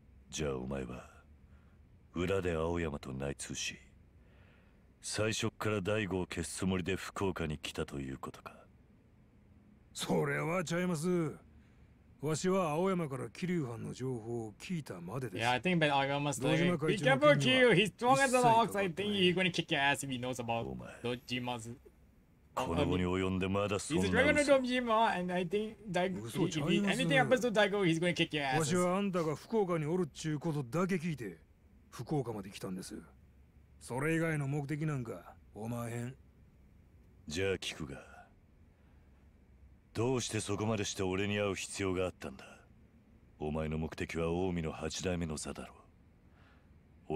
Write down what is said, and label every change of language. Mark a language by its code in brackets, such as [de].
[ja] じゃあお前は裏で青山と内通し、最初から大吾を消すつもりで福岡に来たということか。それはちゃいます。わしは青山から桐生藩の情報を聞いたまでです。 [en] Yeah, I think that I almost like it. Be careful, Kiryu. He's strong as an ox. I think he's going to kick your ass if he knows about Dojima's [ja] この後に及んでまだそんな嘘。 [en] He's a dragon of Dojima, and I think Daigo, anything happens to Daigo, he's going to kick your ass. [ja] わしはあんたが福岡におるっちゅうことだけ聞いて、福岡まで来たんです。それ以外の目的なんか、おまへん。じゃあ聞くが、どうしてそこまでして俺に会う必要があったんだ。お前の目的は近江の八代目の座だろう。